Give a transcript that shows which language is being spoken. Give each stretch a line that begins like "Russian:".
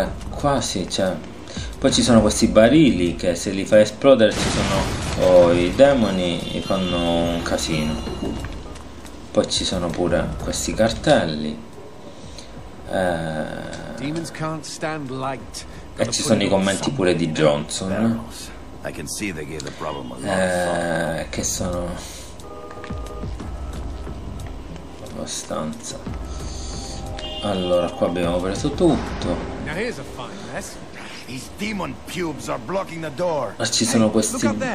Italian: Qua sì, c'è. Poi ci sono questi barili che se li fai esplodere ci sono i demoni e fanno un casino. Poi ci sono pure questi cartelli.
English: Demons can't stand light.
Italian: E ci sono i commenti pure di Johnson, che sono abbastanza. Allora, qua abbiamo preso tutto. Ma ci sono questi.